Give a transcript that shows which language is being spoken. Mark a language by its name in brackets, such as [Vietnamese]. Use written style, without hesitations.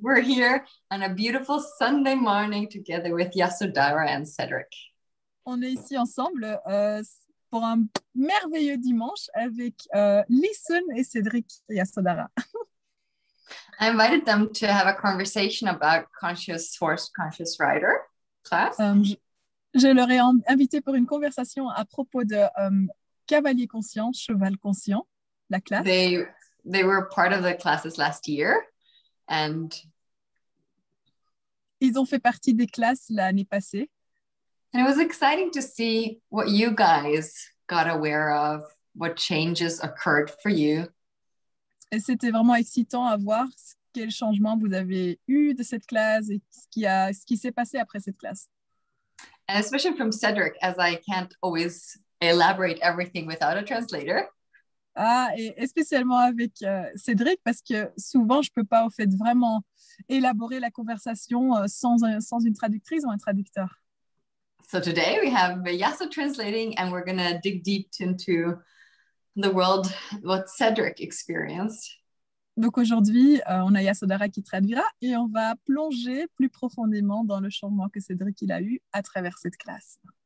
[English] We're here on a beautiful Sunday morning together with Yasodhara and Cedric. [French] On est ici ensemble pour un merveilleux dimanche avec Lisen et Cedric et Yasodhara. [English] I invited them to have a conversation about conscious horse, conscious rider class. [French] Je leur ai invité pour une conversation à propos de cavalier conscient, cheval conscient, la classe. [English] They were part of the classes last year, and [French] ils ont fait partie des classes l'année passée. [English] And it was exciting to see what you guys got aware of, what changes occurred for you. [French] Et c'était vraiment excitant à voir quels changements vous avez eu de cette classe et ce qui s'est passé après cette classe. [English] And especially from Cedric, as I can't always elaborate everything without a translator. [French] Ah, et spécialement avec Cedric, parce que souvent, je ne peux pas, au fait, vraiment élaborer la conversation sans une traductrice ou un traducteur. [English] So today, we have Yasso translating, and we're going to dig deep into the world, what Cedric experienced. [French] Donc aujourd'hui, on a Yasodhara qui traduira et on va plonger plus profondément dans le changement que Cedric il a eu à travers cette classe.